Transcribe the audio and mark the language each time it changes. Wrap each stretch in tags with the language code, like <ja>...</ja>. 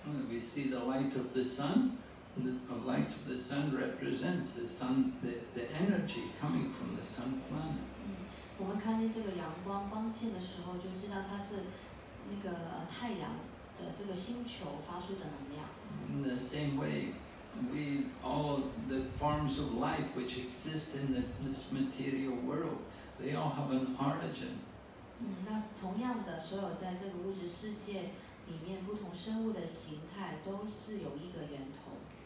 <en>We see the light of the sun. The light of the sun represents the sun, the energy coming from the sun planet.</en> <zh>我们看见这个阳光光线的时候，就知道它是那个太阳的这个星球发出的能量。</zh> <en>In the same way, we all the forms of life which exist in this material world, they all have an origin.</en> <zh>那同样的，所有在这个物质世界里面不同生物的形态都是有一个源头。</zh>